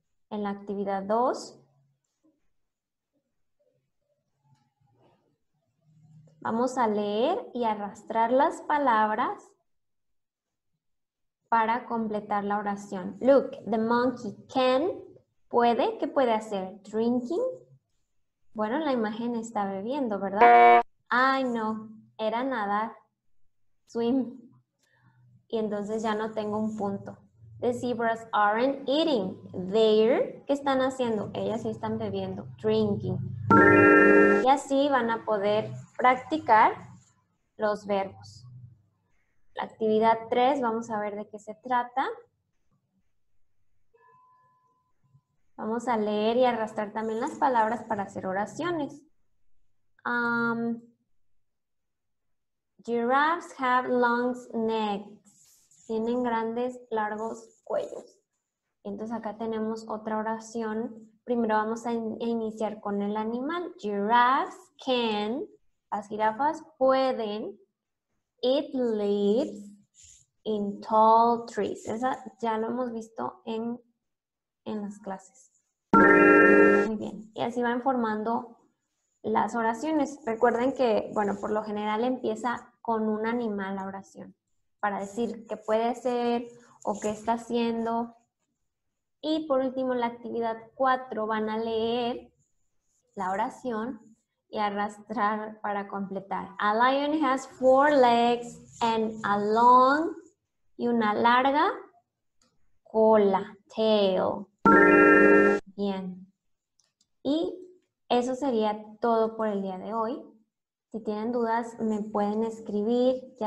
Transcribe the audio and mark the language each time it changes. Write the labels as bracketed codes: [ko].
[es] En la actividad 2, vamos a leer y arrastrar las palabras para completar la oración. [en] Look, the monkey can, [es] puede, ¿qué puede hacer? [en] Drinking. [es] Bueno, la imagen está bebiendo, ¿verdad? Ay, no, era nadar. Swim. Y entonces ya no tengo un punto. [en] The zebras aren't eating. [es] They're, ¿qué están haciendo? Ellas sí están bebiendo. Drinking. Y así van a poder practicar los verbos. La actividad 3, vamos a ver de qué se trata. Vamos a leer y arrastrar también las palabras para hacer oraciones. [en] Giraffes have long necks. [es] Tienen grandes, largos cuellos. Entonces acá tenemos otra oración. Primero vamos a iniciar con el animal. [en] Giraffes can, [es] las jirafas pueden, [en] eat leaves in tall trees. [es] Esa ya lo hemos visto en las clases. Muy bien. Y así van formando las oraciones. Recuerden que, bueno, por lo general empieza con un animal la oración para decir que puede ser o qué está haciendo. Y por último, la actividad 4, van a leer la oración y arrastrar para completar. [en] A lion has four legs and a long, [es] y una larga cola, [en] tail. [es] Bien. Y eso sería todo por el día de hoy. Si tienen dudas, me pueden escribir. Ya